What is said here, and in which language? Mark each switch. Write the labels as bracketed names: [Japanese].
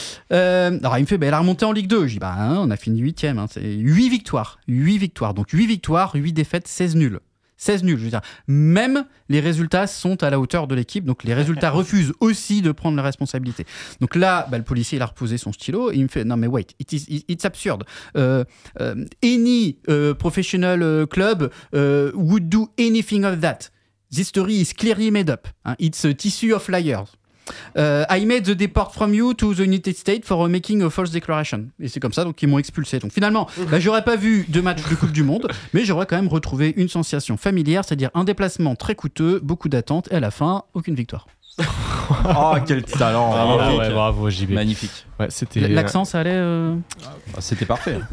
[French] Alors il me fait, elle a remonté en Ligue 2, je dis hein, on a fini 8e, hein, c'est 8 victoires, donc 8 victoires, 8 défaites, 16 nuls, je veux dire. Même les résultats sont à la hauteur de l'équipe, donc les résultats refusent aussi de prendre la responsabilité. Donc là, le policier, il a reposé son stylo et il me fait, non mais [English] wait, it's absurd. Any professional club would do anything of that. This story is clearly made up. Hein. It's a tissue of liars. I made the deport from you to the United States for making a false declaration. [French] Et c'est comme ça qu'ils m'ont expulsé. Donc finalement, j'aurais pas vu de match de Coupe du Monde, mais j'aurais quand même retrouvé une sensation familière, c'est-à-dire un déplacement très coûteux, beaucoup d'attentes, et à la fin, aucune victoire. Oh, quel talent. Bravo, ouais, bravo JB. Magnifique. Ouais, c'était... L'accent, ça allait C'était parfait.